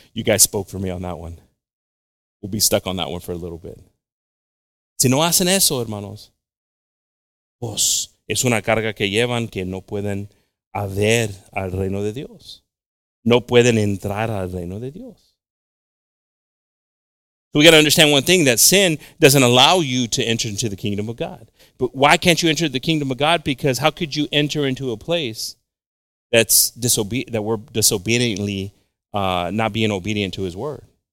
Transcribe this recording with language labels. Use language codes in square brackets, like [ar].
[en] You guys spoke for me on that one. We'll be stuck on that one for a little bit. [es] Si no hacen eso, hermanos, pues es una carga que llevan que no pueden haber al reino de Dios. No pueden entrar al reino de Dios. [en] So we got to understand one thing, that sin doesn't allow you to enter into the kingdom of God. But why can't you enter the kingdom of God? Because how could you enter into a place that's that we're disobediently not being obedient to his word?